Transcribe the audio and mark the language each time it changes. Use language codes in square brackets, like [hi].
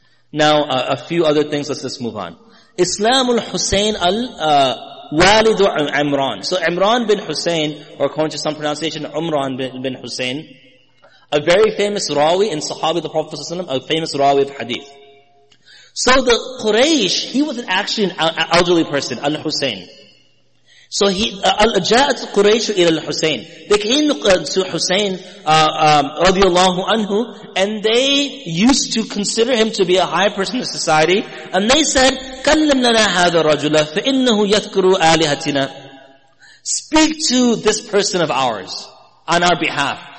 [en] Now, a few other things, let's just move on. Islamul Hussein al-Walidu Imran. So Imran bin Hussein, or according to some pronunciation, Umran bin Hussein, a very famous rawi in Sahabi the Prophet ﷺ, a famous rawi of hadith. So the Quraysh, he was actually an elderly person, al-Hussein. So he, [ar] جاءت قريش إلى الحسين. [en] They came to Hussein, radiallahu anhu, and they used to consider him to be a high person in society, and they said, [ar] كلم لنا هذا الرجل فإنه يذكر آلهتنا. [en] Speak to this person of ours, on our behalf.